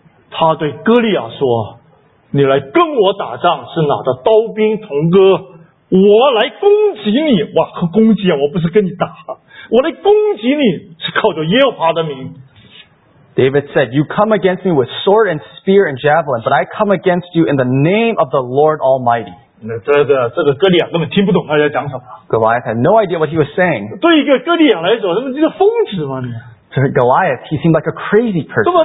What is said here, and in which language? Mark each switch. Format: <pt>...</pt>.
<zh>他对哥利亚说, 你来跟我打仗是哪的刀兵同哥, 我来攻击你, 哇, 攻击啊, 我不是跟你打, 我来攻击你, 是靠着耶和华的名。</zh> <en>David said, you come against me with sword and spear and javelin, but I come against you in the name of the Lord Almighty.</en> <zh>这个哥利亚根本听不懂他在讲什么。</zh> <en>Goliath had no idea what he was saying.</en> <zh>对一个哥利亚来说,他们就是疯子嘛。</zh> <en>To Goliath, he seemed like a crazy person.</en>